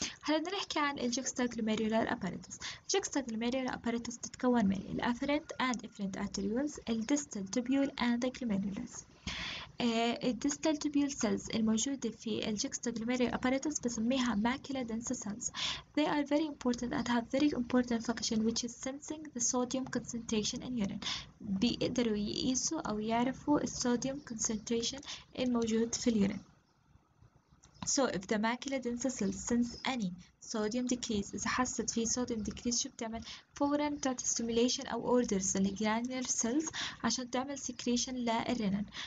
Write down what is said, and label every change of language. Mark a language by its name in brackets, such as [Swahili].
[Arabic] هلا بدنا نحكي عن الجكستاجلوميرولار أباراتوس. الجكستاجلوميرولار أباراتوس تتكون من الأفرنت and افرنت arterioles, الديستال تبيول [English] and the glomerulus. [Arabic] الديستال تبيول سيلز الموجودة في الجكستاجلوميرولار أباراتوس بسميها ماكيلا دنسا سيلز. [English] They are very important and have very important function which is sensing the sodium concentration in urine. [Arabic] بيقدروا يقيسوا أو يعرفوا الصوديوم concentration الموجود في اليورين. [English] So if the macula densa cells sense any sodium decrease, [Arabic] إذا حست في [English] sodium decrease [Arabic] شو بتعمل؟ فوراً بتعت [English] stimulation أو orders للgranular cells [Arabic] عشان تعمل [English] secretion للرنين.